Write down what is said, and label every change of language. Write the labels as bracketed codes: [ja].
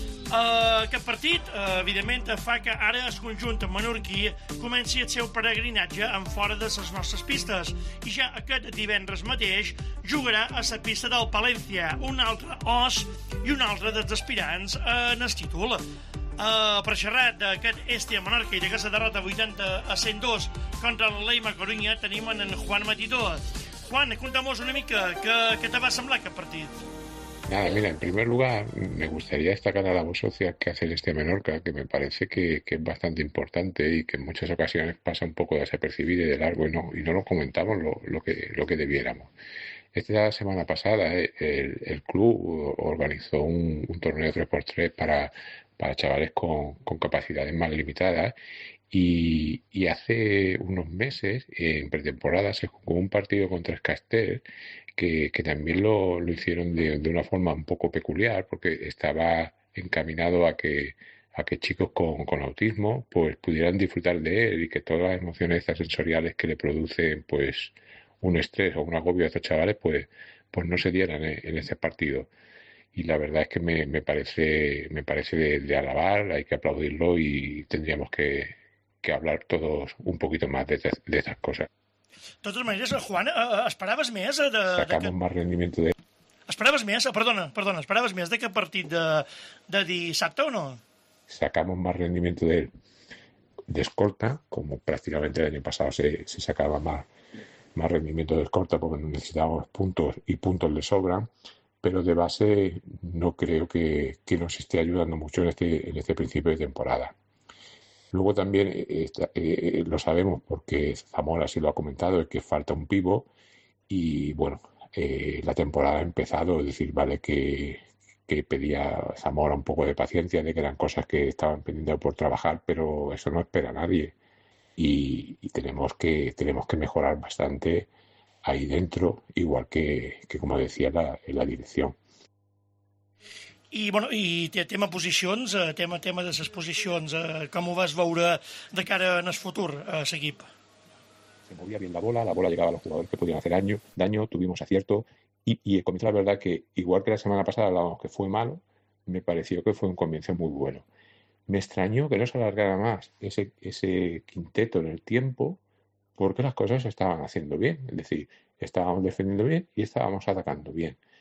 [ca] Aquest partit, evidentment, fa que ara el conjunt menorquí comenci el seu peregrinatge en fora de les nostres pistes i ja aquest divendres mateix jugarà a la pista del Palencia, un altre os i un altre dels aspirants en el títol. Per xerrar d'aquest Estia Menorca i d'aquesta derrota 80-102 contra l'Eima Corunya tenim en Juan Matito. Juan, [es] contamos [ca] una mica, què te va semblar aquest partit? [es] Nada, mira, en primer lugar, me gustaría destacar la labor social que hace el Estia Menorca, que me parece que es bastante importante y que en muchas ocasiones pasa un poco desapercibido y de largo y no lo comentamos lo que debiéramos. Esta semana pasada el club organizó un torneo 3x3 para chavales con capacidades más limitadas y hace unos meses, en pretemporada, se jugó un partido contra el Castell que también lo hicieron de una forma un poco peculiar, porque estaba encaminado a que chicos con autismo pues pudieran disfrutar de él y que todas las emociones extrasensoriales que le producen pues un estrés o un agobio a estos chavales pues no se dieran en ese partido. Y la verdad es que me parece de alabar, hay que aplaudirlo y tendríamos que hablar todos un poquito más de esas cosas. [ca] De totes maneres, Juan, esperaves més de [es] sacamos más rendimiento de... [ca] Esperaves més, perdona, esperaves més d'aquest partit de dissabte o no? [es] Sacamos más rendimiento de escolta, como prácticamente el año pasado se sacaba más rendimiento de escolta porque necesitábamos puntos y puntos le sobran, pero de base no creo que nos esté ayudando mucho en este principio de temporada. Luego también lo sabemos porque Zamora sí lo ha comentado, es que falta un pivo y bueno, la temporada ha empezado, es decir, vale que pedía Zamora un poco de paciencia, de que eran cosas que estaban pendientes por trabajar, pero eso no espera a nadie y tenemos que mejorar bastante ahí dentro, igual que como decía la dirección. [ca] I, bueno, i tema posicions, tema de les posicions, com ho vas veure de cara en el futur, a l'equip? [es] Se movía bien la bola llegaba a los jugadores que podían hacer daño, tuvimos acierto y comienza la verdad que, igual que la semana pasada hablábamos que fue malo, me pareció que fue un comienzo muy bueno. Me extrañó que no se alargara más ese quinteto en el tiempo porque las cosas se estaban haciendo bien, es decir, estábamos defendiendo bien y estábamos atacando bien.